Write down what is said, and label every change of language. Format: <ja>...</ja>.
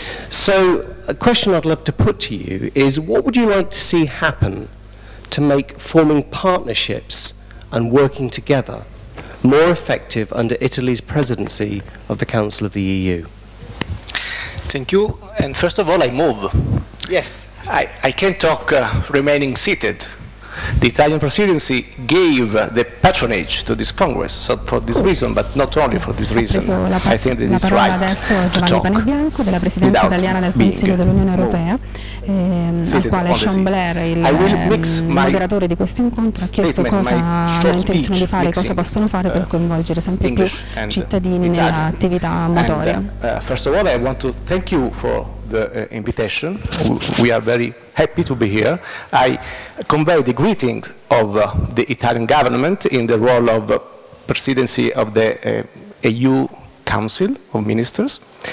<en>So a question I'd love to put to you is, what would you like to see happen to make forming partnerships and working together more effective under Italy's presidency of the Council of the EU? Thank you. And first of all, I move. Yes. I can't talk remaining seated. The Italian presidency gave the patronage to this Congress, so for this reason, but not only for this reason, I think that it's right to talk</en> <it>della presidenza italiana del Consiglio dell'Unione Europea, al quale Sean Blair, il moderatore di questo incontro, ha chiesto cosa hanno intenzione di fare, cosa possono fare per coinvolgere sempre più cittadini nella attività motoria.</it> <en>First of all, I want to thank you for the invitation. We are very happy to be here. I convey the greetings of the Italian government in the role of presidency of the EU Council of Ministers.</en>